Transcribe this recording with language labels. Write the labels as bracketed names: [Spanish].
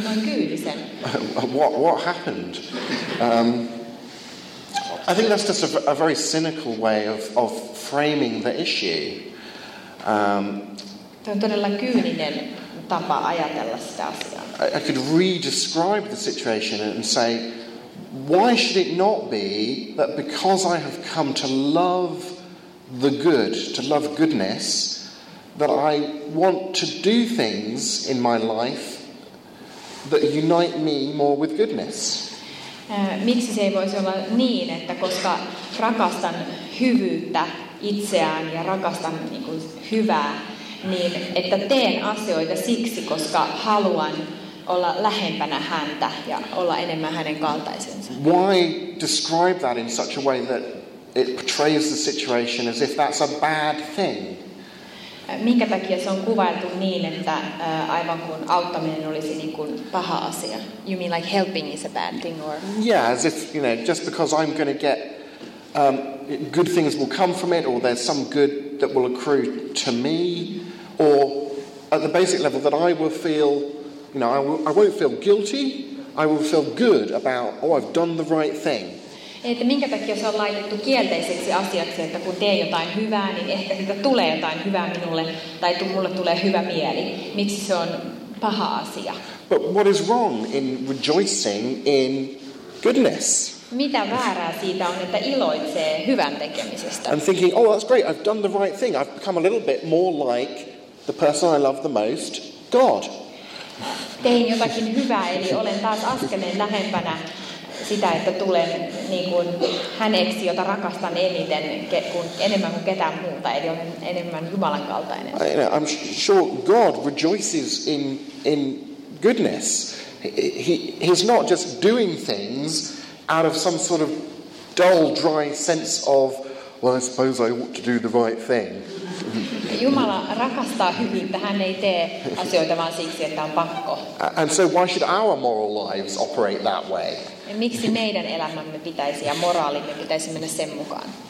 [English] What happened? I think that's just a very cynical way of framing the issue. [Finnish] Tämä on todella kyyninen tapa ajatella sitä asiaa. [English] I could re-describe the situation and say, why should it not be that because I have come to love the good, to love goodness, that I want to do things in my life that unite me more with goodness? [Finnish] Miksi se ei voisi olla niin, että koska rakastan hyvyyttä itseään ja rakastan niin kuin hyvää, niin että teen asioita siksi, koska haluan olla lähempänä häntä ja olla enemmän hänen kaltaisensa. [English] Why describe that in such a way that it portrays the situation as if that's a bad thing? [Finnish] Minkä takia se on kuvailtu niin, että aivan kuin auttaminen olisi niin kuin paha asia? [English] You mean like helping is a bad thing? Or? Yeah, as if, you know, just because I'm going to get good things will come from it, or there's some good that will accrue to me, or at the basic level that I will feel, you know, I won't feel guilty, I will feel good about, oh, I've done the right thing. [Finnish] Että minkä takia se on laitettu kielteiseksi asiaksi, että kun teen jotain hyvää, niin ehkä siitä tulee jotain hyvää minulle, tai mulle tulee hyvä mieli. Miksi se on paha asia. [English] But what is wrong in rejoicing in goodness? [Finnish] Mitä väärää siitä on, että iloitsee hyvän tekemisestä? [English] I'm thinking, oh, that's great, I've done the right thing. I've become a little bit more like the person I love the most, God. [Finnish] Tein jotakin hyvää, eli olen taas askeleen lähempänä sitä, että tulen niin kuin häneksi, jota rakastan eniten, enemmän kuin ketään muuta, eli olen enemmän Jumalan kaltainen. [English] I know, I'm sure God rejoices in goodness. He's not just doing things out of some sort of dull, dry sense of, well, I suppose I ought to do the right thing. [Finnish] Jumala rakastaa hyvyyttä, hän ei tee asioita vaan siksi, että on pakko. [English] And so why should our moral lives operate that way? [Finnish] Miksi meidän elämämme pitäisi ja moraalimme pitäisi mennä sen mukaan?